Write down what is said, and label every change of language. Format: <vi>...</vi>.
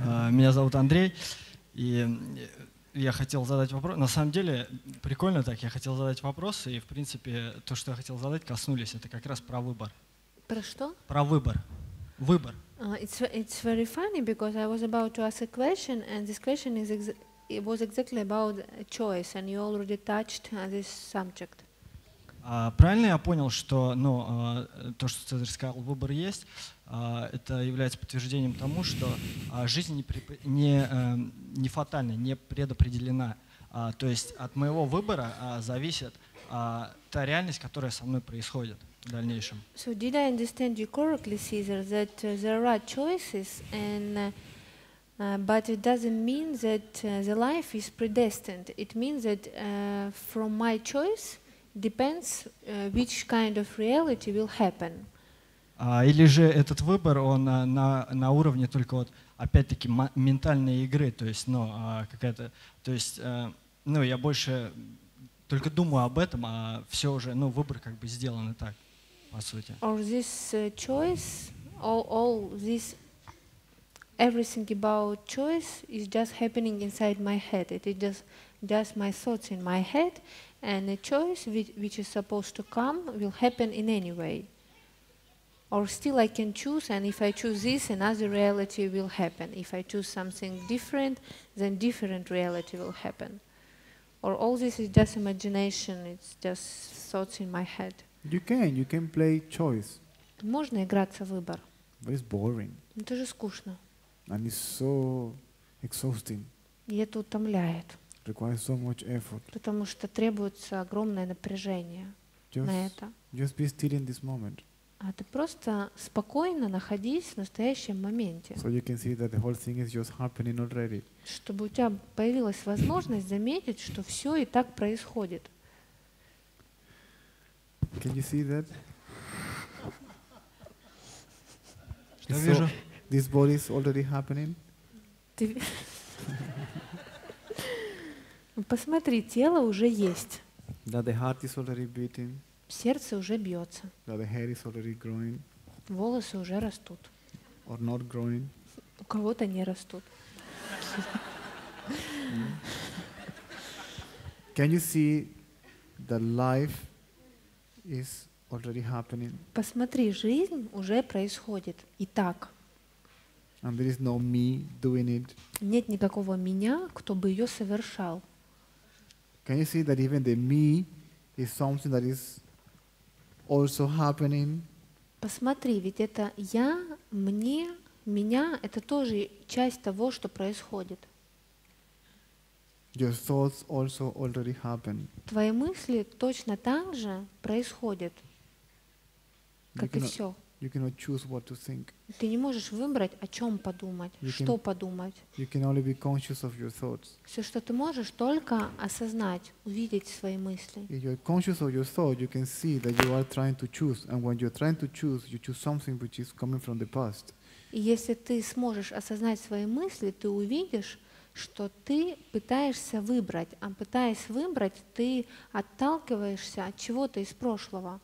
<ru>Меня зовут Андрей, и я хотел задать вопрос. На самом деле, прикольно так, я хотел задать вопрос, и, в принципе, то, что я хотел задать, коснулись. Это как раз про выбор. Про что? Про выбор. Выбор.</ru> <en>It's very funny, because I was about to ask a question, and this question is it was exactly about choice, and you already touched this subject.</en> <ru>Правильно я понял, что ну, то, что Цезарь сказал, выбор есть, это является подтверждением тому, что жизнь не фатальна, не предопределена. То есть от моего выбора зависит та реальность, которая со мной происходит в дальнейшем.</ru> <en>So did I understand you correctly, Caesar, that there are choices, and but it doesn't mean that the life is predestined. It means that from my choice depends which kind of reality will happen.</en> <ru>Или же этот выбор, он на уровне только вот опять-таки ментальной игры, то есть, ну, какая-то, то есть, ну, я больше только думаю об этом, а все уже, ну, выбор как бы сделан и так, по сути.</ru> <en>Or this choice, all this, everything about choice is just happening inside my head. It is just my thoughts in my head. And a choice which is supposed to come will happen in any way. Or still I can choose, and if I choose this, another reality will happen. If I choose something different, then different reality will happen. Or all this is just imagination, it's just thoughts in my head. You can play choice.</en> <ru>Можно играться в выбор.</ru> <en>But it's boring.</en> <ru>Это же скучно.</ru> <en>And it's so exhausting.</en> <ru>И это утомляет.</ru> <en>Requires so much effort.</en> <ru>Потому что требуется огромное напряжение</ru> <en>just,</en> <ru>на это.</ru> <en>Just be still in this moment.</en> <ru>А ты просто спокойно находись в настоящем моменте.</ru> <en>So you can see that the whole thing is just happening already.</en> <ru>Чтобы у тебя появилась возможность заметить, что все и так происходит.</ru> <en>Can you see that?</en> <ru>Я вижу.</ru> <en>This body is already happening.</en> <ru>Посмотри, тело уже есть.</ru> <en>That the heart is already beating.</en> <ru>Сердце уже бьется.</ru> <en>That the hair is already growing.</en> <ru>Волосы уже растут.</ru> <en>Or not growing.</en> <ru>У кого-то не растут.</ru> <en>Can you see that life is already happening?</en> <ru>Посмотри, жизнь уже происходит. И так.</ru> <en>And there is no me doing it.</en> <ru>Нет никакого меня, кто бы ее совершал.</ru> <en>Can you see that even the me is something that is also happening?</en> <ru>Посмотри, ведь это я, мне, меня, это тоже часть того, что происходит.</ru> <en>Your thoughts also already happen.</en> <ru>Твои мысли точно так же происходят, как и все.</ru> <en>You cannot choose what to think.</en> <ru>Ты не можешь выбрать, о чем подумать,</ru> <en>you</en> <ru>что</ru> <en>can,</en> <ru>подумать.</ru> <en>You can only be conscious of your thoughts.</en> <ru>Все, что ты можешь, только осознать, увидеть свои мысли.</ru> <en>If you're conscious of your thought, you can see that you are trying to choose, and when you're trying to choose, you choose something which is coming from the past.</en> <ru>И если ты сможешь осознать свои мысли, ты увидишь, что ты пытаешься выбрать, а пытаясь выбрать, ты отталкиваешься от чего-то из прошлого.</ru>